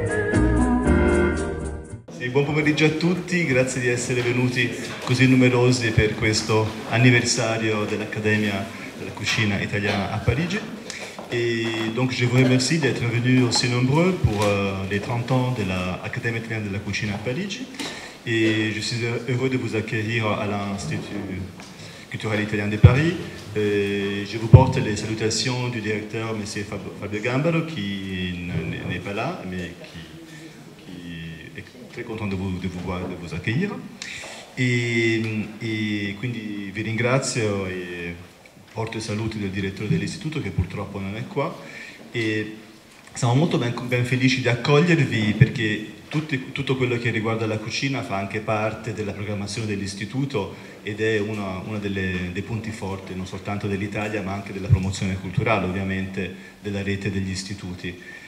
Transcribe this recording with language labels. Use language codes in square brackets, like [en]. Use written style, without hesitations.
[it] Buon pomeriggio a tutti, grazie di essere venuti così numerosi per questo anniversario dell'Accademia della Cucina Italiana a Parigi. [fr] Et donc je vous remercie d'être venus aussi nombreux pour les 30 ans de l'Académie Italienne de la Cucina à Parigi. Et je suis heureux de vous accueillir à l'Institut Culturel Italien de Paris. Et je vous porte les salutations du directeur, M. Fabio Gambaro, qui n'est pas là, mais qui est très content de vous voir, de vous accueillir. [it] Et quindi vi ringrazio et porto i saluti del direttore dell'istituto che purtroppo non è qua e siamo molto ben felici di accogliervi perché tutto quello che riguarda la cucina fa anche parte della programmazione dell'istituto ed è uno dei punti forti non soltanto dell'Italia ma anche della promozione culturale ovviamente della rete degli istituti.